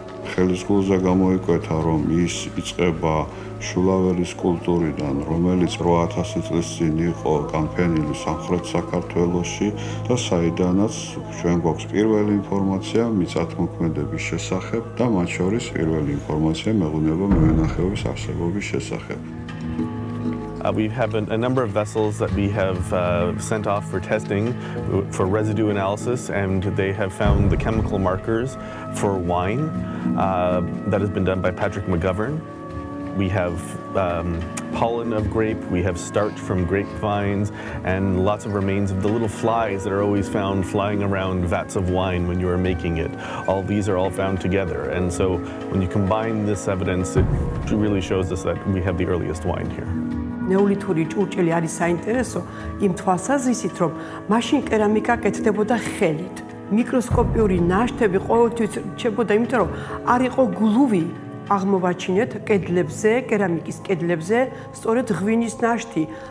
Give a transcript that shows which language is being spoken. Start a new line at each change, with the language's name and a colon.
Georgian: ხელისგულზე გამოიკვეთა, რომ ის იწყება შულაველის კულტურიდან, რომელიც 8000 წლის წინ იყო განფენილი სამხრეთ საქართველოში და საიდანაც ჩვენ გვაქვს პირველი ინფორმაცია მიწათმოქმედების შესახებ და მათ შორის პირველი ინფორმაცია მეღვინეობა მევენახეობის არსებობის შესახებ.
English: We have a number of vessels that we have sent off for testing, for residue analysis, and they have found the chemical markers for wine that has been done by Patrick McGovern. We have pollen of grape, we have starch from grapevines, and lots of remains of the little flies that are always found flying around vats of wine when you are making it. All these are all found together, and so when you combine this evidence, it really shows us that we have the earliest wine here.
Georgian: ნეოლითური ჭურჭელი არის საინტერესო იმ თვალსაზრისით, რომ მაშინ კერამიკა კეთდებოდა ხელით. მიკროსკოპიური ნაშთები ყოველთვის რჩებოდა, იმიტომ რომ არ იყო გლუვი აღმოვაჩინეთ კედლებზე, კერამიკის კედლებზე, სწორედ ღვინის ნაშთი.